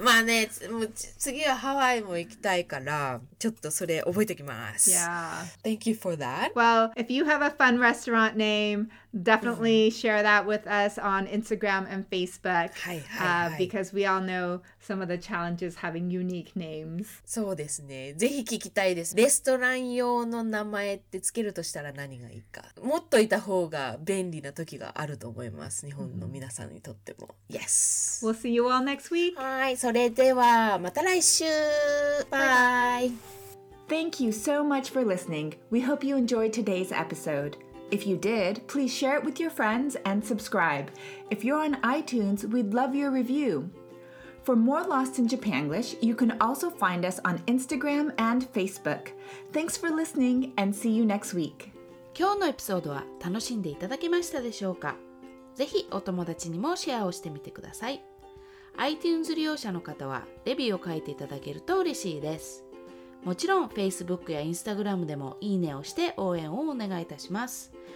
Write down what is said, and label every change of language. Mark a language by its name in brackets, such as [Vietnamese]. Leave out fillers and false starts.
[Japanese] まあね、もう次はハワイも行きたいから、ちょっとそれ覚えておきます。 [English] Yeah. Thank you for that. Well, if you have a fun restaurant name, definitely share that with us on Instagram and Facebook. Because we all know some of the challenges having unique names. [Japanese] そうですね。ぜひ聞きたいです。レストラン用の名前ってつけるとしたら何がいいか。持っといた方が便利な時があると思います。日本の皆さんにとっても。 [English] Mm-hmm. Yes. We'll see you all next week. [Japanese] はい、それではまた来週。バイ。 [English] Thank you so much for listening. We hope you enjoyed today's episode. If you did, please share it with your friends and subscribe. If you're on iTunes, we'd love your review. For more Lost in Japanglish, you can also find us on Instagram and Facebook. Thanks for listening and see you next week. [Japanese] 今日のエピソードは楽しんでいただけましたでしょうか？ぜひお友達にもシェアをしてみてください。 iTunes 利用者の方はレビューを書いていただけると嬉しいです。もちろん Facebook や Instagram でもいいねをして応援をお願いいたします。